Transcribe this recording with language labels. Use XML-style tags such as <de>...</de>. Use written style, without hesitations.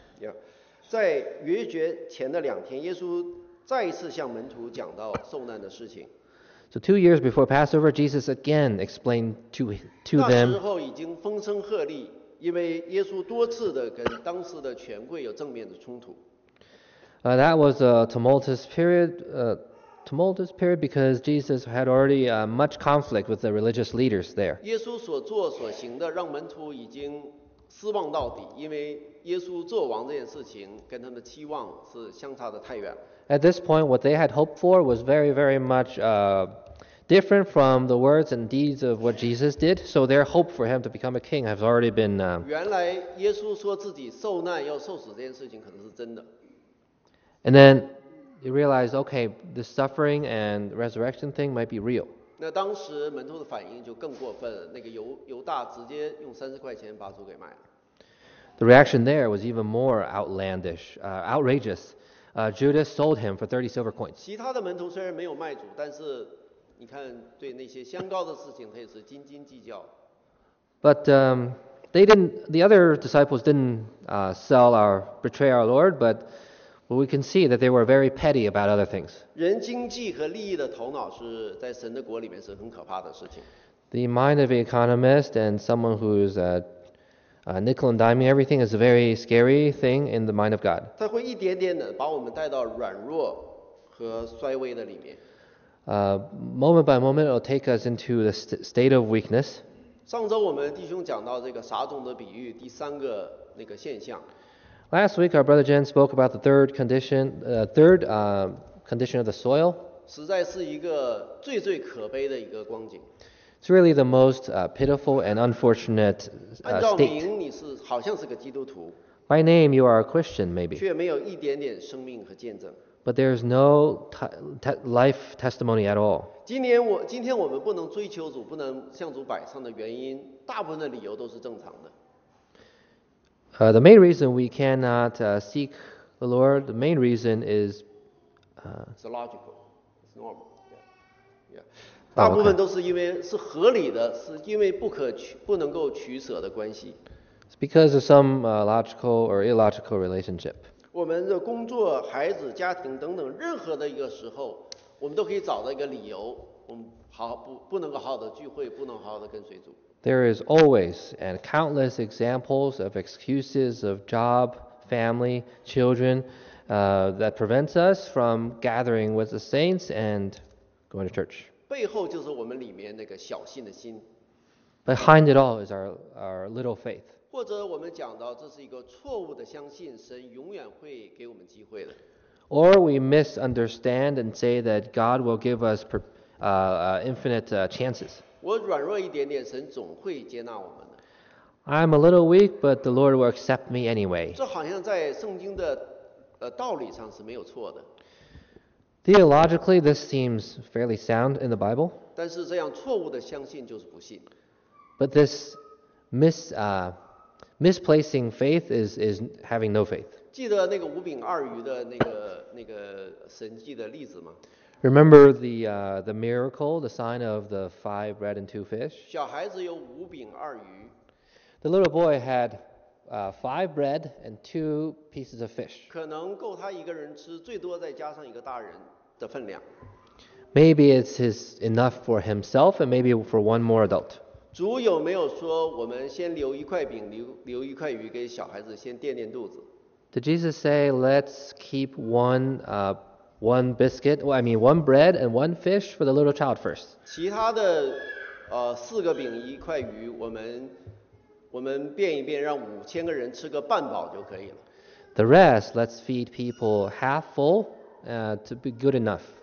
<zh>Yeah. 在逾越前的两天，耶稣再一次向门徒讲到受难的事情。</zh> <en>So 2 years before Passover, Jesus again explained to them.</en> <zh>那时候已经风声鹤唳，因为耶稣多次的跟当时的权贵有正面的冲突。</zh> <en>That was a tumultuous period because Jesus had already much conflict with the religious leaders there.</en> <zh>耶稣所做所行的让门徒已经失望到底，因为耶稣做王这件事情跟他们的期望是相差的太远。</zh> <en>At this point, what they had hoped for was very, very much different from the words and deeds of what Jesus did. So their hope for him to become a king has already been.</en> <zh>原来耶稣说自己受难要受死这件事情可能是真的。</zh> <en>And then you realize, okay, the suffering and resurrection thing might be real.</en> <zh>那当时门徒的反应就更过分了，那个犹大直接用30块钱把主给卖了。</zh> <en>The reaction there was even more outrageous. Judas sold him for 30 silver coins.</en> <zh>其他的门徒虽然没有卖主，但是你看对那些相高的事情，他也是斤斤计较。</zh> <en>But the other disciples didn't betray our Lord, but we can see that they were very petty about other things.</en> <zh>人经济和利益的头脑是在神的国里面是很可怕的事情。</zh> <en>The mind of an economist and someone who is nickel and diming everything is a very scary thing in the mind of God.</en> <zh>它会一点点的把我们带到软弱和衰微的里面。</zh> <en>Moment by moment, it'll take us into the state of weakness.</en> <zh>上周我们弟兄讲到这个撒种的比喻，第三个那个现象。</zh> <en>Last week, our brother Jen spoke about the third condition of the soil.</en> <zh>实在是一个最最可悲的一个光景。</zh> <en>It's really the most pitiful and unfortunate state.</en> <zh>按照名，你是好像是个基督徒。</zh> <en>By name, you are a Christian, maybe.</en> <zh>却没有一点点生命和见证。</zh> <en>But there is no life testimony at all.</en> <zh>今天我们不能追求主，不能向主摆上的原因，大部分的理由都是正常的。</zh> <en>The main reason we cannot seek the Lord, the main reason is. It's logical. It's normal. Yeah.</en> <zh>大部分都是因为是合理的，是因为不能够取舍的关系。</zh> <en>It's because of some logical or illogical relationship.</en> <zh>我们的工作、孩子、家庭等等，任何的一个时候，我们都可以找到一个理由，我们不能够好好的聚会，不能好好的跟随主。</zh> <en>There is always and countless examples of excuses of job, family, children that prevents us from gathering with the saints and going to church.</en> <zh>背后就是我们里面那个小信的心。</zh> <en>Behind it all is our little faith.</en> <zh>或者我们讲到这是一个错误的相信，神永远会给我们机会的。</zh> <en>Or we misunderstand and say that God will give us infinite chances.</en> <zh>我软弱一点点，神总会接纳我们的。</zh> <en>I'm a little weak, but the Lord will accept me anyway.</en> <zh>这好像在圣经的道理上是没有错的。</zh> <en>Theologically, this seems fairly sound in the Bible.</en> <zh>但是这样错误的相信就是不信。</zh> <en>But this misplacing faith is having no faith.</en> <zh>记得那个五饼二鱼的那个神迹的例子吗？</zh> <en>Remember the miracle, the sign of the 5 bread and 2 fish?</en> <zh>小孩子有五饼二鱼。</zh> <en>The little boy had 5 bread and 2 pieces of fish.</en> <zh>可能够他一个人吃，最多再加上一个大人的分量。</zh> <en>Maybe it's enough for himself and maybe for one more adult.</en> <zh>主有没有说我们先留一块饼，留一块鱼给小孩子先垫垫肚子？</zh> <en>Did Jesus say, let's keep one bread and 1 fish for the little child first.</en> <zh>其他的四个饼一块鱼，我们变一变，让五千个人吃个半饱就可以了。</zh> <en>The rest, let's feed people half full, to be good enough.</en>